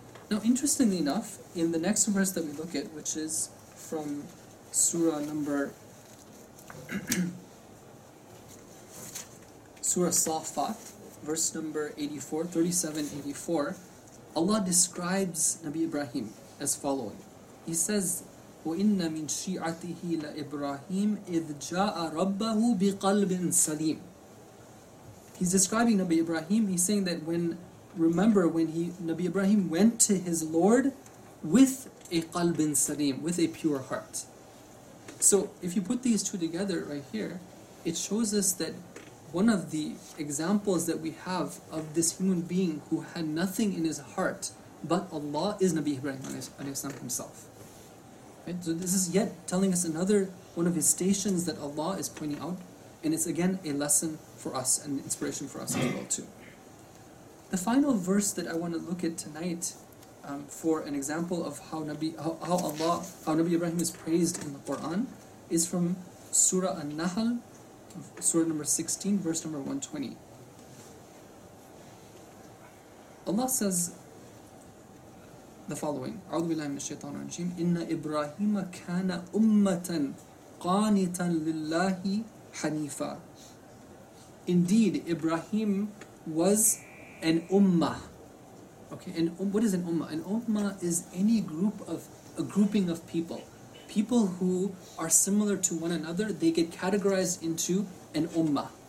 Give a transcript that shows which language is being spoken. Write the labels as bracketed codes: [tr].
[en] Now, interestingly enough, in the next verse that we look at, which is from Surah Safat, verse number 84, 37-84, Allah describes Nabi Ibrahim as following. He says, [ar] وَإِنَّ مِنْ شِيعَتِهِ لَإِبْرَاهِيمِ إِذْ جَاءَ رَبَّهُ بِقَلْبٍ سَلِيمٍ. [en] He's describing Nabi Ibrahim. He's saying that when Nabi Ibrahim went to his Lord with a qalbin salim, with a pure heart. So if you put these two together right here, it shows us that one of the examples that we have of this human being who had nothing in his heart but Allah is Nabi Ibrahim alayhi salam himself. Right? So this is yet telling us another one of his stations that Allah is pointing out, and it's again a lesson for us and inspiration for us as well too. The final verse that I want to look at tonight for an example of how Nabi Ibrahim is praised in the Quran is from Surah An-Nahl, Surah number 16, verse number 120. Allah says the following, [ar] أعوذ بالله من الشيطان الرجيم, إِنَّ إِبْرَاهِيمَ كَانَ أُمَّةً قَانِتًا لِلَّهِ حَنِيفًا. [en] Indeed, Ibrahim was an ummah, Okay, and what is an ummah? An ummah is any group of, a grouping of people. People who are similar to one another, they get categorized into an ummah.